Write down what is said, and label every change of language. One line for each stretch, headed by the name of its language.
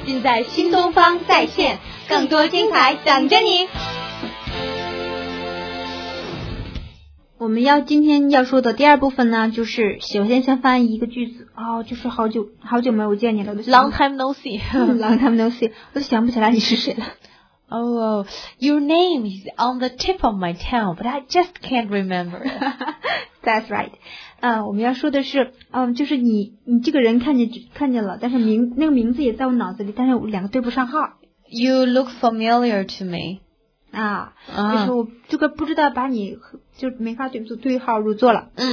Chinese: 尽在新东方在线，更多精彩等着你。我们要今天要说的第二部分呢，就是首先先翻译一个句子哦，就是好久好久没有见你了
English: ，Long time no see， Long time no see，
Chinese: 我就想不起来你是谁了。
English: Oh, your name is on the tip of my tongue, but I just can't remember. That's right.
Chinese: 我们要说的是，就是你这个人看见了，但是那个名字也在我脑子里，但是我两个对不上号。
English: You look familiar to me.
Chinese: 啊，就是我这个不知道把你就没法对号入座了。